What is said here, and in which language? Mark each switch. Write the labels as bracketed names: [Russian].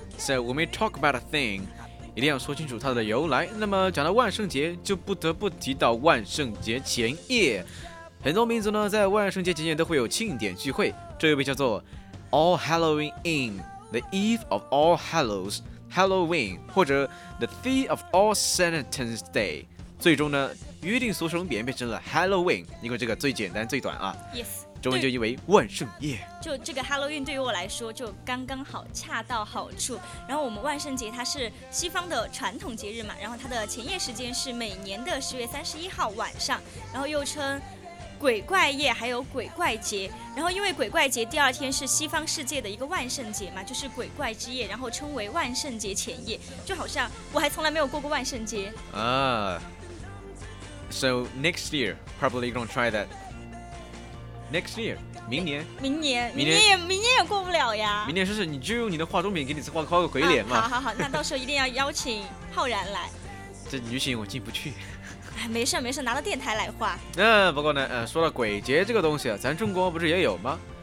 [English] So when we talk about a thing, [Chinese] 一定要说清楚它的由来。那么讲到万圣节，就不得不提到万圣节前夜。很多民族呢，在万圣节前夜都会有庆典聚会，这又被叫做 [English] All Halloween Eve, the Eve of All Hallows, Halloween, [Chinese] 或者 [English] the Day of All Saints Day。 [Chinese] 最终呢，约定俗成变成了 Halloween， 因为这个最简单最短啊。 [English] Yes. [Chinese] 中文就译为万圣夜，就这个 Halloween 对于我来说就刚刚好，恰到好处。然后我们万圣节它是西方的传统节日嘛，然后它的前夜时间是每年的10月31号晚上，然后又称鬼怪夜还有鬼怪节。然后因为鬼怪节第二天是西方世界的一个万圣节嘛，就是鬼怪之夜，然后称为万圣节前夜。就好像我还从来没有过过万圣节啊。 [English] So next year probably gonna try that. Next year, [Chinese] 明年也过不了呀。明年试试，你就用你的化妆品给你画画个鬼脸嘛。好，那到时候一定要邀请浩然来。这女性我进不去。哎，没事，拿到电台来画。那不过呢，说到鬼节这个东西啊，咱中国不是也有吗？